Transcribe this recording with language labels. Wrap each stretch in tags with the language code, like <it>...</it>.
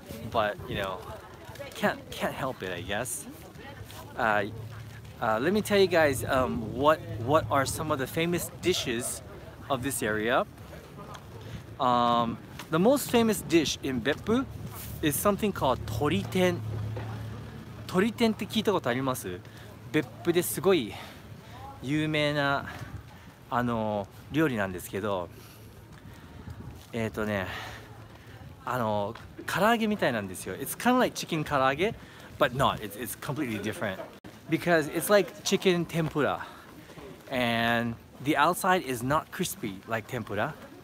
<en>But you know, can't help it, I guess. Let me tell you guys what are some of the famous dishes of this area. The most famous dish in Beppu is something called toriten.</en> <ja>Toriten って聞いたことあります? Beppu ですごい有名なあの料理なんですけど、ね、あの唐揚げみたいなんですよ。</ja> <en>It's kind of like chicken 唐揚げ, but not. It's completely different. Because it's like chicken tempura. And the outside is not crispy like tempura.</en>